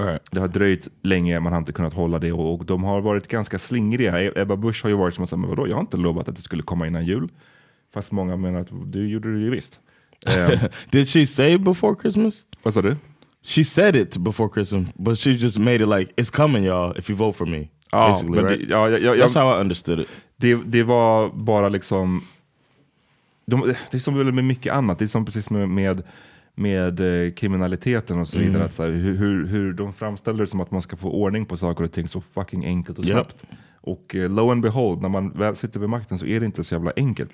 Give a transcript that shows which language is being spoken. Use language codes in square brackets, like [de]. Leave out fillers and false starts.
[sv] Det har dröjt länge, man har inte kunnat hålla det, och de har varit ganska slingriga. Ebba Busch har ju varit som att säga, men vadå, jag har inte lovat att det skulle komma innan jul. Fast många menar att du gjorde det ju visst. [en] Did she say before Christmas? [sv] Vad sa du? [en] She said it before Christmas, but she just made it like, it's coming y'all, if you vote for me. [sv] Ja, [en] men right? That's how I understood it. [sv] Det var bara liksom det är som med mycket annat. Det är som precis med kriminaliteten och så vidare. Mm. Att så här, hur de framställer det som att man ska få ordning på saker och ting så fucking enkelt och snabbt. Yep. Och [en] lo and behold, [sv] när man väl sitter vid makten så är det inte så jävla enkelt.